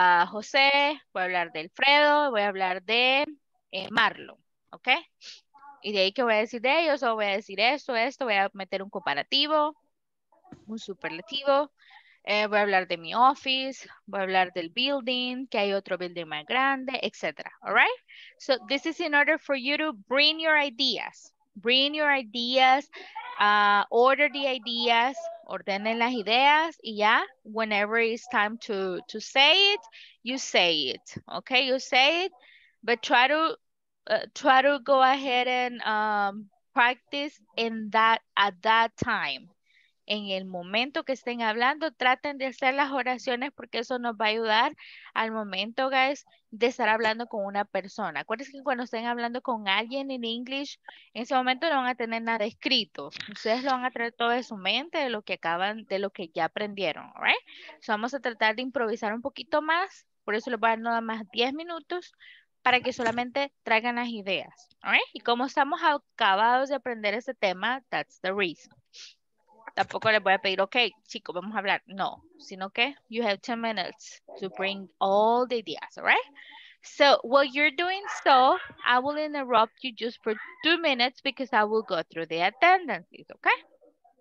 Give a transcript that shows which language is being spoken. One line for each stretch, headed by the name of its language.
Spanish: José, voy a hablar de Alfredo, voy a hablar de Marlon, ¿ok? Y de ahí que voy a decir de ellos, o voy a decir esto, esto, voy a meter un comparativo, un superlativo, voy a hablar de mi office, voy a hablar del building, que hay otro building más grande, etc.
English: All right? So this is in order for you to bring your ideas. Bring your ideas, order the ideas,
Spanish: ordenen las ideas, y ya,
English: whenever it's time to say it, you say it, okay? You say it, but try to go ahead and practice in that, at that time.
Spanish: En el momento que estén hablando, traten de hacer las oraciones porque eso nos va a ayudar al momento, guys, de estar hablando con una persona. Acuérdense que cuando estén hablando con alguien en inglés, en ese momento no van a tener nada escrito. Ustedes lo van a traer todo de su mente, de lo que acaban, de lo que ya aprendieron, ¿right? So vamos a tratar de improvisar un poquito más. Por eso les voy a dar nada más 10 minutos para que solamente traigan las ideas, ¿right? Y como estamos acabados de aprender este tema,
English: that's the reason.
Spanish: Tampoco les voy a pedir, ok, chicos, vamos a hablar. No, sino que
English: you have 10 minutes to bring all the ideas, all right? So, while you're doing so, I will interrupt you just for 2 minutes because I will go through the attendances, okay?